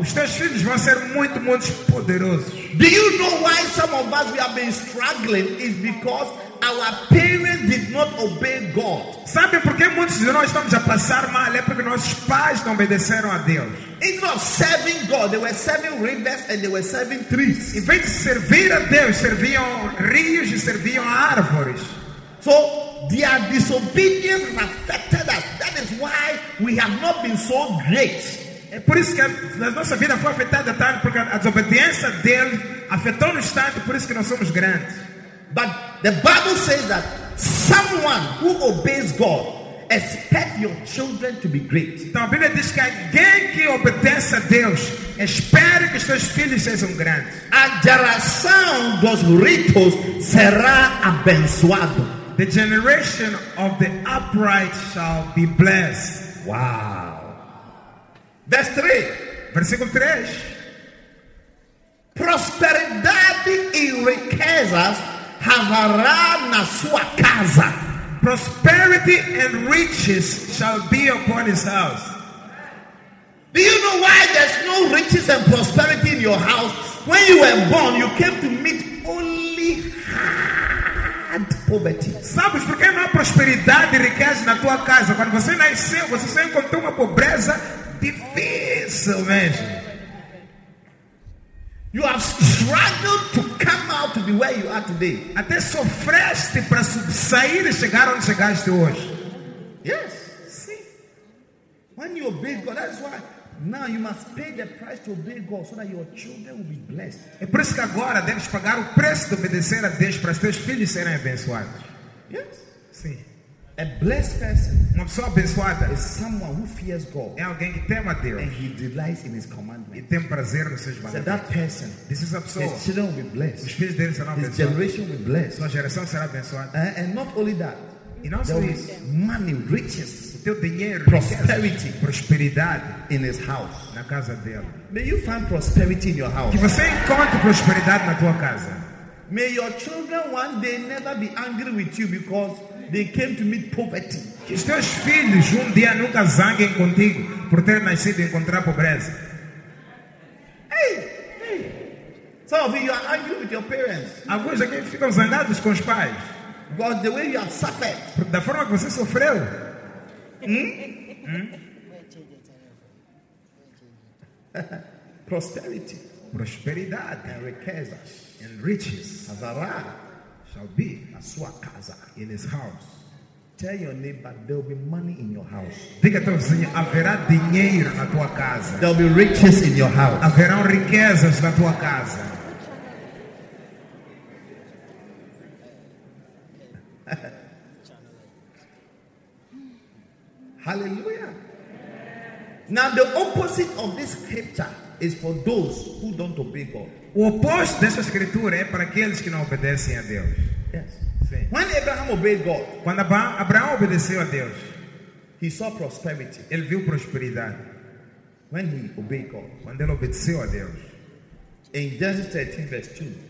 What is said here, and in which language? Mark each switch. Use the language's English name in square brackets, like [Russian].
[Portuguese] Os teus filhos vão ser muito, muito poderosos. [English] Do you know why some of us we have been struggling? Is because our parents did not obey God. [Portuguese] Sabe por que muitos de nós estamos a passar mal? É porque nossos pais não obedeceram a Deus. [English] Instead of serving God, they were serving rivers and they were serving trees. [Portuguese] Em vez de servir a Deus, serviam rios e serviam árvores. [English] So their disobedience affected us. That is why we have not been so great. [Portuguese] É por isso que a nossa vida foi afetada tanto, porque a desobediência deles afetou-nos tanto, por isso que nós somos grandes. [English] But the Bible says that someone who obeys God expects your children to be great. [Portuguese] Então a Bíblia diz que alguém que obedece a Deus espera que seus filhos sejam grandes. A geração dos ritos será abençoado. [English] The generation of the upright shall be blessed. Wow. Verse 3. [Portuguese] Versículo 3. Prosperidade e riquezas haverá na sua casa. [English] Prosperity and riches shall be upon his house. Do you know why there's no riches and prosperity in your house? When you were born, you came to meet only hard poverty. [Portuguese] Sabes por que não há prosperidade e riqueza na tua casa? Quando você nasceu, você só encontrou uma pobreza difícil mesmo. [English] You have struggled to come out to be where you are today. [Portuguese] Até sofreste para sair e chegar onde chegaste hoje. [English] Yes. See. When you obey God, that's why now you must pay the price to obey God so that your children will be blessed. [Portuguese] É por isso que agora deves pagar o preço de obedecer a Deus para os teus filhos serem abençoados. [English] Yes. [Portuguese] Sim. [English] A blessed person, [Portuguese] uma pessoa abençoada, [English] is someone who fears God. [Portuguese] É alguém que teme a Deus. [English] And he delights in His commandments. [Portuguese] E tem prazer nos seus mandamentos. [English] So that person, this is a pessoa, his children will be blessed. [Portuguese] Os filhos dele serão abençoados. [English] His generation will be blessed. [Portuguese] Sua geração será abençoada. [English] And not only that, [Portuguese] e não só [English] there [Portuguese] isso, [English] money, riches, [Portuguese] o teu dinheiro, [English] prosperity, [Portuguese] prosperidade, [English] in his house, [Portuguese] na casa dele. [English] May you find prosperity in your house. [Portuguese] Que você encontre prosperidade na tua casa. [English] May your children one day never be angry with you because they came to meet poverty. [Portuguese] Que os teus filhos um dia nunca zanguem contigo por ter nascido e encontrar pobreza. Hey, hey. [English] Some of you are angry with your parents. [Portuguese] Alguns aqui ficam zangados com os pais. [English] Because the way you have suffered. [Portuguese] Por, da forma que você sofreu. [English] Prosperity. [Portuguese] Prosperidade. [English] And riquezas. And riches. Azara. Shall be [Portuguese] a sua casa. [English] In his house. Tell your neighbor there will be money in your house. [Portuguese] Diga teu vizinho, haverá dinheiro na tua casa. [English] There will be riches in your house. [Portuguese] Haverão riquezas na tua casa. [English] Hallelujah. Now the opposite of this scripture is for those who don't obey God. [Portuguese] O oposto dessa escritura é para aqueles que não obedecem a Deus. [English] Yes. When Abraham obeyed God, [Portuguese] quando Abraão obedeceu a Deus, [English] he saw prosperity. [Portuguese] Ele viu prosperidade. [English] When he obeyed God, [Portuguese] quando ele obedeceu a Deus, [English] in Genesis 13 verse 2,